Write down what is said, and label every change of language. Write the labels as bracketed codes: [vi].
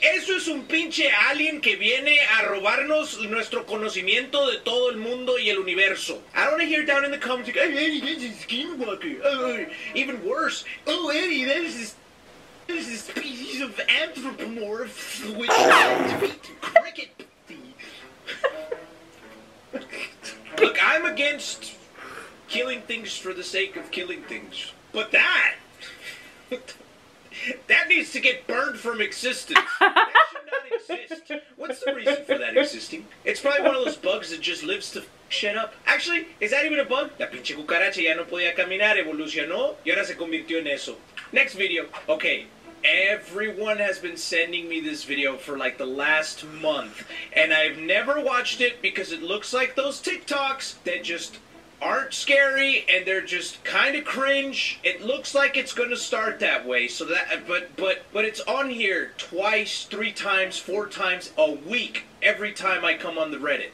[es] Eso es un pinche alien que viene a robarnos nuestro conocimiento de todo el mundo y el universo. [en] I don't hear down in the comments, like, hey, Eddie, that's a skinwalker. Even worse. Oh, Eddie, that is a species of anthropomorph which to beat cricket. Look, I'm against killing things for the sake of killing things. But that... that needs to get burned from existence. That should not exist. What's the reason for that existing? It's probably one of those bugs that just lives to shit up. Actually, is that even a bug? [es] La pinche cucaracha ya no podía caminar, evolucionó, y ahora se convirtió en eso. [en] Next video. Okay. Everyone has been sending me this video for like the last month, and I've never watched it because it looks like those TikToks that just aren't scary and they're just kind of cringe. It looks like it's going to start that way. So that, but it's on here twice, three times, four times a week every time I come on the Reddit.